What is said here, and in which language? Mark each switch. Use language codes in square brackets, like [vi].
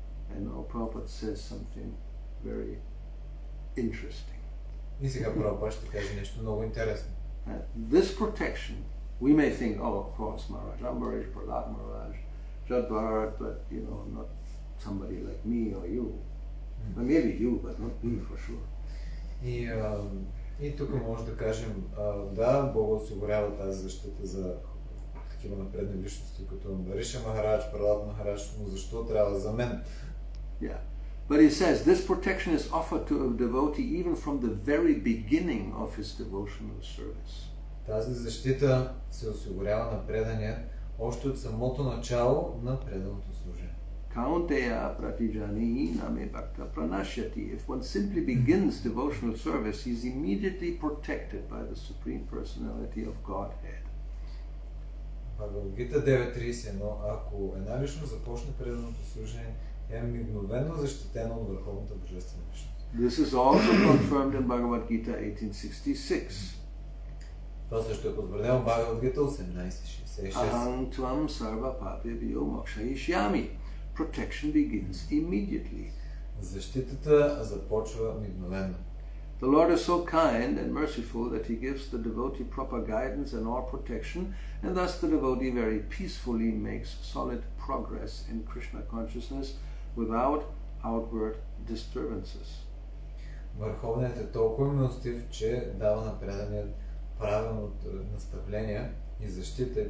[en] And now Prabhupada says something very interesting. [bg] И сега Прабхупада ще каже нещо много интересно. [en] This protection, we may think, oh, of course, Maharaj Ambarish, Prahlad Maharaj, Jadbharat, but, you know, not somebody like me or you. Or maybe you, but not me for sure. [bg] И тук може да кажем, да, Бог осигурява тази защита за такива напредни личности, като Ambarish Maharaj, Prahlad Maharaj, но защо трябва за мен? [en] Yeah. But he says, this protection is offered to a devotee even from the very beginning of his devotional service. Тази защита се осигурява на предания още от самото начало на преданото служение. [sa] Kaunteya pratijani name bhakta pranashyati. [en] If one simply begins devotional service, he is immediately protected by the Supreme Personality of Godhead. [bg] Бхагавад-гита 9.31. Ако една лично започне преданото служение, е мигновено защитено от Върховната Божествена личност. [en] This is also confirmed in Bhagavad-gita 1866. [bg] Това също е потвърдено в Бхагавад-гита 18.66. [sa] Ахам твам сарва папебио мокша ишьями. [en] Protection begins immediately. [bg] Защитата започва мигновено. [en] The Lord is so kind and merciful that He gives the devotee proper guidance and all protection, and thus the devotee very peacefully makes solid progress in Krishna consciousness without outward disturbances. [bg] Върховният е толкова милостив, че дава на предания правилното наставление и защита.